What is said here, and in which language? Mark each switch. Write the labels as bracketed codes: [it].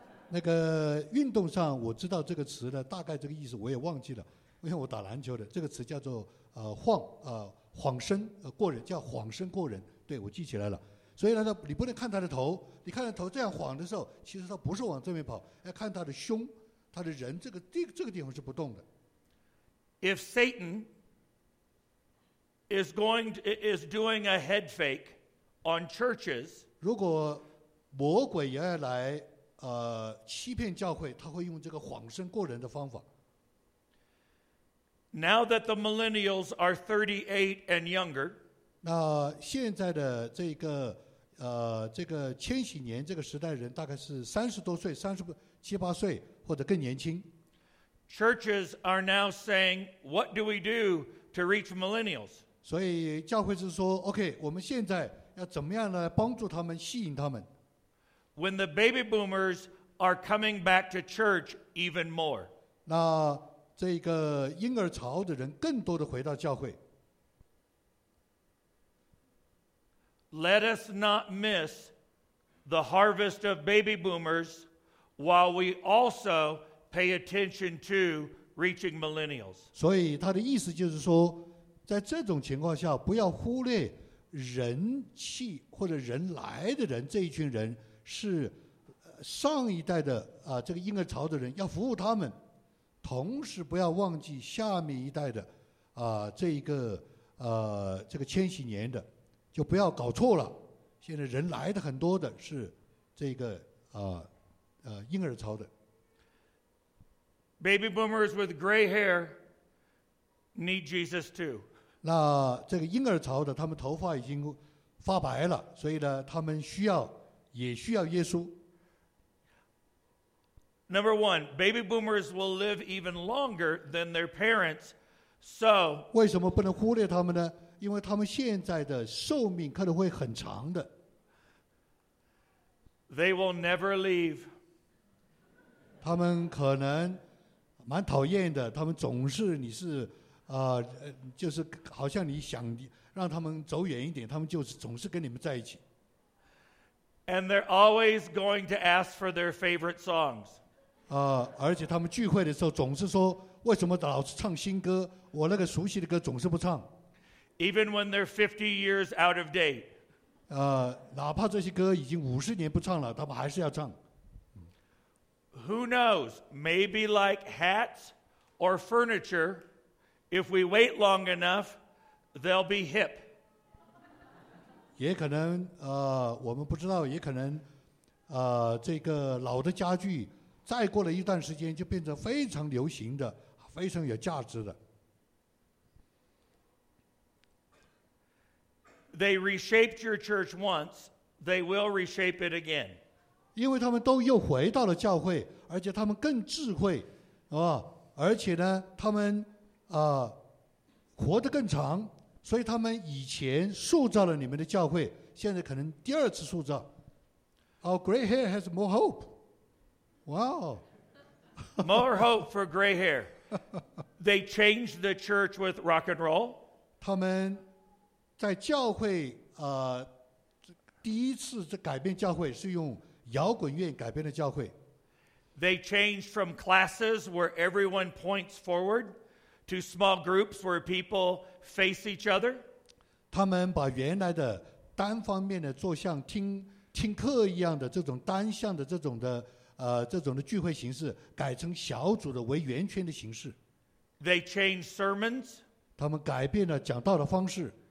[zh] 那个运动上我知道这个词的大概这个意思我也忘记了因为我打篮球的这个词叫做晃身过人叫晃身过人对我记起来了所以呢你不能看他的头你看他头这样晃的时候其实他不是往这边跑要看他的胸他的人这个地方是不动的 [en] If Satan is doing a head fake on churches [zh] 如果魔鬼也要来欺骗教会，他会用这个谎声过人的方法。 [en] Now that the millennials are 38 and younger, [zh] 那现在的这个千禧年这个时代人大概是30多岁、37、38岁或者更年轻。 [en] Churches are now saying, "What do we do to reach millennials?" [zh] 所以教会是说 ，OK， 我们现在要怎么样来帮助他们，吸引他们？ [en] When the baby boomers are coming back to church even more. [zh] 那这个婴儿潮的人更多的回到教会。 [en] Let us not miss the harvest of baby boomers while we also pay attention to reaching millennials. [zh] 所以他的意思就是说，在这种情况下，不要忽略人气或者人来的人这一群人。是上一代的这个婴儿潮的人要服务他们同时不要忘记下面一代的这个千禧年的，就不要搞错了。现在人来的很多的是这个婴儿潮的 [en] baby boomers with gray hair need Jesus too。 [zh] 那这个婴儿潮的，他们头发已经发白了，所以呢他们需要，也需要耶稣。 [en] Number one, baby boomers will live even longer than their parents, so [zh] 为什么不能忽略他们呢？因为他们现在的寿命可能会很长的。 [en] They will never leave。 [zh] 他们可能蛮讨厌的，他们总是，你是就是好像你想让他们走远一点，他们就是总是跟你们在一起。 [en] And they're always going to ask for their favorite songs。 [zh] 而且他们聚会的时候总是说，为什么老是唱新歌，我那个熟悉的歌总是不唱。 [en] Even when they're 50 years out of date。 [zh] 哪怕这些歌已经50年不唱了，他们还是要唱。 [en] Who knows, maybe like hats or furniture, if we wait long enough,They'll be hip. [zh] 也可能我们不知道，也可能这个老的家具再过了一段时间就变成非常流行的，非常有价值的。 [en] They reshaped your church once, they will reshape it again. [zh] 因为他们都又回到了教会，而且他们更智慧，而且呢他们活得更长，所以他们以前塑造了你们的教会，现在可能第二次塑造。 [en] Our gray hair has more hope. Wow. More hope for gray hair. They changed the church with rock and roll. [zh] 他们在教会第一次改变教会是用摇滚乐改变的教会。 [en] They changed from classes where everyone points forward to small groups where peopleface each other. [zh] 他们把原来的单方面的坐像听课一样的这种单向的这种的聚会形式改成小组的为圆圈的形式。 [en] They changed sermons. [zh] 他们改变了讲道的方式。